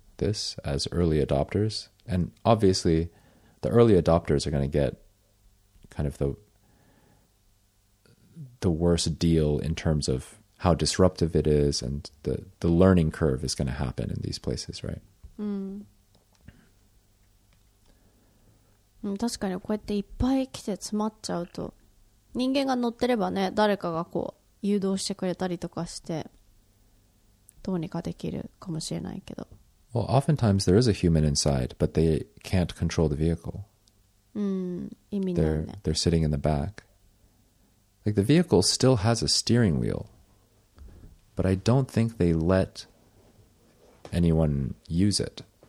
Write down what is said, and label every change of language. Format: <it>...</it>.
<en>this as early adopters and obviously the early adopters are going to get kind of the worst deal in terms of how disruptive it is and the learning curve is going to happen in these places, right?</en> <ja>うん。確かにこうやっていっぱい来て詰まっちゃうと人間が乗ってればね誰かがこう誘導してくれたりとかしてどうにかできるかもしれないけど。</ja> <en>Well, oftentimes there is a human inside, but they can't control the vehicle. They're sitting in the back. Like, the vehicle still has a steering wheel, but I don't think they let anyone use it.</en>